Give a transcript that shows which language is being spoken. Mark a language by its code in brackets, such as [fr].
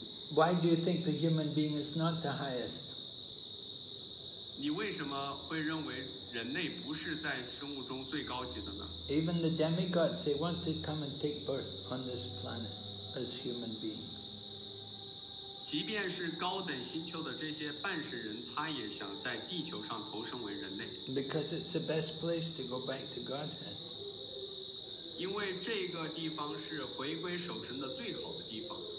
[en] Why do you think the human being is not the highest? [zh] 你为什么会认为人类不是在生物中最高级的呢？ [en] Even the demigods, they want to come and take birth on this planet as human beings. [zh] 即便是高等星球的这些半世人，他也想在地球上投生为人类。 [en] Because it's the best place to go back to Godhead. [zh] 因为这个地方是回归守神的最好的地方。